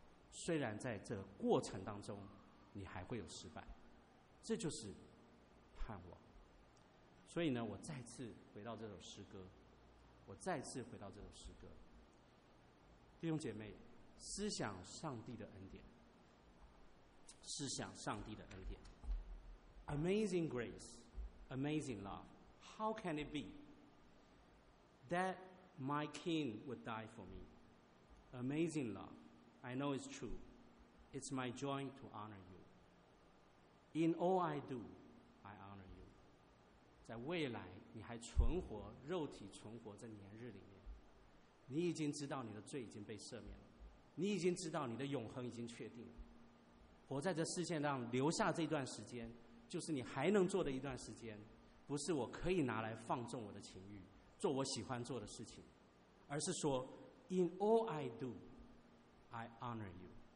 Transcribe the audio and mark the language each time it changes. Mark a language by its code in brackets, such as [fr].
[zh] 虽然在这过程当中你还会有失败，这就是盼望。所以呢，我再次回到这首诗歌，我再次回到这首诗歌，弟兄姐妹，思想上帝的恩典，思想上帝的恩典。 [en] Amazing grace, amazing love, how can it be that my king would die for me? Amazing love, I know it's true, it's my joy to honor you. In all I do, I honor you. [zh] 在未来你还存活，肉体存活在年日里面，你已经知道你的罪已经被赦免了，你已经知道你的永恒已经确定了。活在这世界上留下这段时间，就是你还能做的一段时间，不是我可以拿来放纵我的情欲做我喜欢做的事情，而是说 [en] In all I do I honor you。